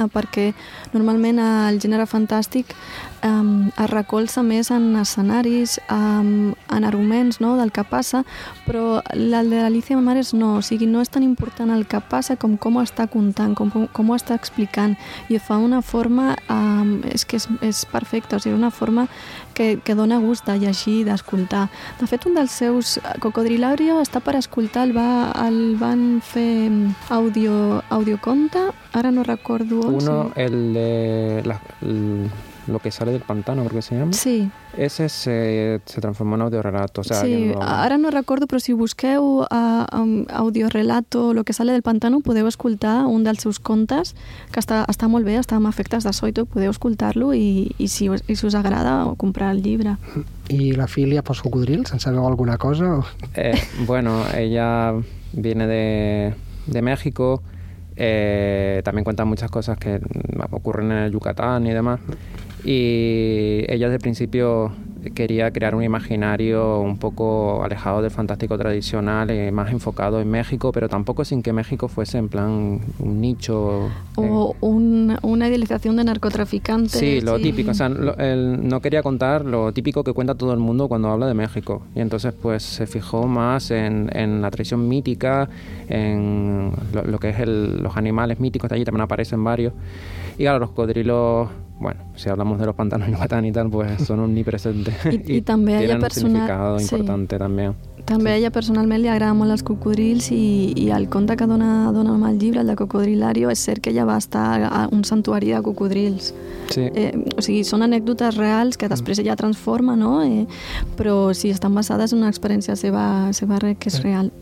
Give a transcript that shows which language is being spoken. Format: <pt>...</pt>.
<ca>Perquè normalment el gènere fantàstic es recolza més en escenaris, en arguments, no, del que passa, però el de l'Alícia Mares no, o sigui, no és tan important el que passa com ho està contant, com ho està explicant, i ho fa una forma és perfecta, o sigui, una forma que dona gust de llegir, d'escoltar. De fet, un dels seus Cocodrilario està per escoltar, el van fer audioconte, ara no recordo on.</ca> <es>Uno, el de lo que sale del pantano, creo que se llama. Sí. Ese se transformó en audiorelato. O sea,</es> <ca>sí, ara no recordo, però si busqueu audiorelato, lo que sale del pantano, podeu escoltar un dels seus contes, que està molt bé, està amb efectes de so i tot, podeu escoltar-lo i si us agrada, o comprar el llibre. I la filia pels cocodrils, en sabeu alguna cosa?</ca> <es>Bueno, ella viene de México, también cuenta muchas cosas que ocurren en el Yucatán y demás. Y ella desde el principio quería crear un imaginario un poco alejado del fantástico tradicional, más enfocado en México, pero tampoco sin que México fuese en plan un nicho. O una idealización de narcotraficantes. Sí, lo típico. O sea, no quería contar lo típico que cuenta todo el mundo cuando habla de México. Y entonces, pues, se fijó más en la tradición mítica, en lo que es los animales míticos de allí, también aparecen varios. Y claro, los cocodrilos. Bueno, si hablamos de los pantanos de Yucatán y tal, pues son omnipresentes. Y también tienen un significado importante, sí. También.</es> <ca>També a ella personalment li agrada molt els cocodrils i el conte que dona amb el llibre, el de Cocodrilario, és cert que ella va estar a un santuari de cocodrils. Sí. O sigui, són anècdotes reals que després ella transforma, no? Però si estan basades en una experiència seva que és real.</ca>